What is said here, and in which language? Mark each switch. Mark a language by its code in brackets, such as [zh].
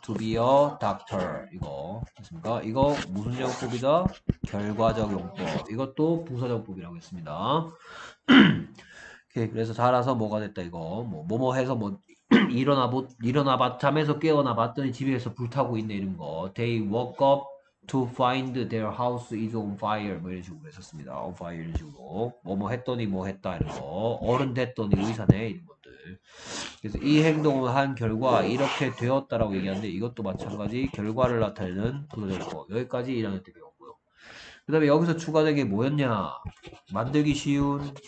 [en] To be a doctor. [ko] 이거 됐습니까? 이거 무슨 영법이다? 결과적 용법. 이것도 부사정법이라고 했습니다. 오케이, 그래서 자라서 뭐가 됐다 이거. 뭐뭐 해서 뭐 일어나 봤 잠에서 깨어나 봤더니 집에서 불타고 있네 이런 거. [en] They woke up to find their house is on fire. [ko] 뭐 이런 식으로 했었습니다. [en] On fire [ko] 이런 식으로. 뭐뭐 했더니 뭐 했다 이런 거. 어른 됐더니 의사네 이런 것들. 그래서 이 행동을 한 결과 이렇게 되었다라고 얘기하는데 이것도 마찬가지 결과를 나타내는 부사정법. 여기까지 1학년 때 배웠고요. 그 다음에 여기서 추가된 게 뭐였냐? 만들기 쉬운.